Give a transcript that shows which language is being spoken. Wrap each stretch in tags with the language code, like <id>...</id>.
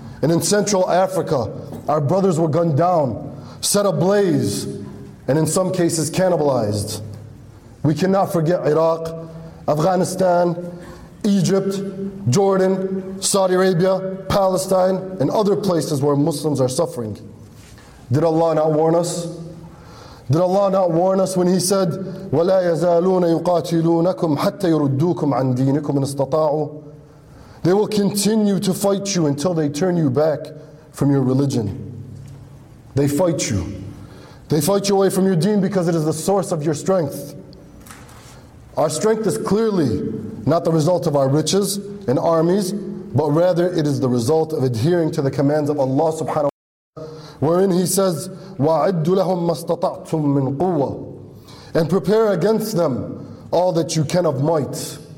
<en>And in Central Africa, our brothers were gunned down, set ablaze, and in some cases cannibalized. We cannot forget Iraq, Afghanistan, Egypt, Jordan, Saudi Arabia, Palestine, and other places where Muslims are suffering. Did Allah not warn us? Did Allah not warn us when He said,</en> <ar>وَلَا يَزَالُونَ يُقَاتِلُونَكُمْ حَتَّى يُرُدُّوكُمْ عَنْ دِينِكُمْ إِنْ اسْتَطَاعُوا.</ar> <en>They will continue to fight you until they turn you back from your religion. They fight you. They fight you away from your deen because it is the source of your strength. Our strength is clearly not the result of our riches and armies, but rather it is the result of adhering to the commands of Allah subhanahu wa ta'ala, wherein He says,</en> <ar>وَعِدُّ لَهُمْ مَسْتَطَعْتُمْ مِنْ قُوَّةٍ,</ar> <en>and prepare against them all that you can of might.</en>